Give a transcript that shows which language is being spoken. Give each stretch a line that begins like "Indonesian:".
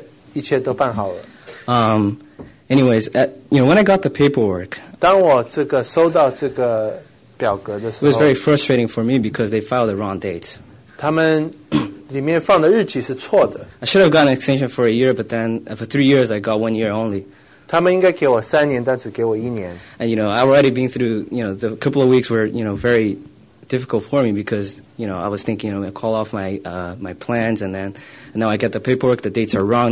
Chinese: 所以我为着这样，我又花了那个钱，然后的确一切都办好了。
English: Anyways, when I got the paperwork,
Chinese: 当我这个收到这个表格的时候，
English: it was very frustrating for me because they filed the wrong dates.
Chinese: 他们
English: I should have gotten an extension for a year, but then for 3 years, I got 1 year only.
Chinese: 他们应该给我3年，但只给我1年。
English: And, I've already been through, the couple of weeks were, very difficult for me because, I was thinking, I call off my my plans, and then and now I get the paperwork, the dates are wrong.